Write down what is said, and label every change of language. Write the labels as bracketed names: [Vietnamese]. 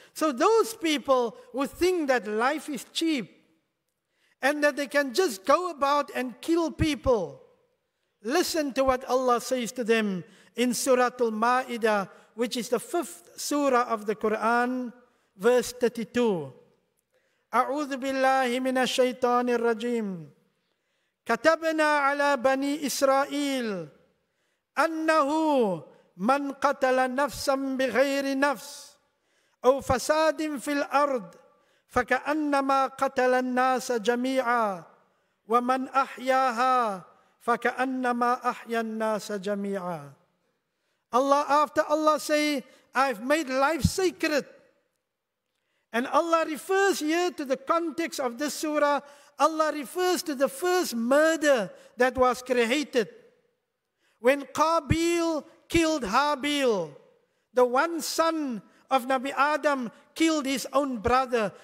[English] So those people who think that life is cheap and that they can just go about and kill people, listen to what Allah says to them in Surah Al-Ma'idah, which is the fifth surah of the Quran, verse 32. [Arabic] أعوذ بالله من الشيطان الرجيم كتبنا على بني إسرائيل أنه من قتل نفسا بغير نفس أو فساد في الأرض فكأنما قتل الناس جميعا ومن أحياها فكأنما أحيا الناس جميعا. [English] Allah, after Allah say, I've made life sacred. And Allah refers here to the context of this surah. Allah refers to the first murder that was created. When Qabil killed Habil, the one son of Nabi Adam killed his own brother.